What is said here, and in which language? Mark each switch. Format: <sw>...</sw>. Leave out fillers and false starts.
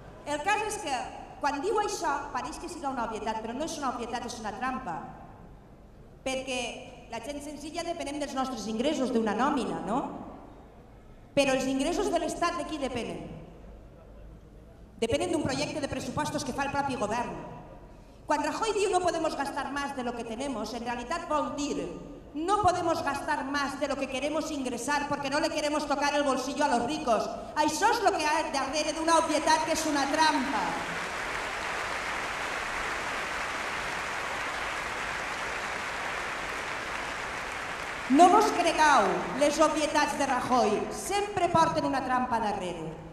<ca>El cas és que quan diu això pareix que siga una obvietat, però no és una obvietat, és una trampa. Perquè la gent senzilla depenem dels nostres ingressos, d'una nòmina, no? Però els ingressos de l'Estat de qui depenen? Depenen d'un projecte de pressupostos que fa el propi govern. Quan Rajoy diu no podemos gastar más de lo que tenemos, en realitat vol dir</ca> <es>no podemos gastar más de lo que queremos ingresar porque no le queremos tocar el bolsillo a los ricos.</es> <ca>Això és el que hi ha darrere d'una obvietat que és una trampa. No vos cregueu les obvietats de Rajoy, sempre porten una trampa darrere.</ca>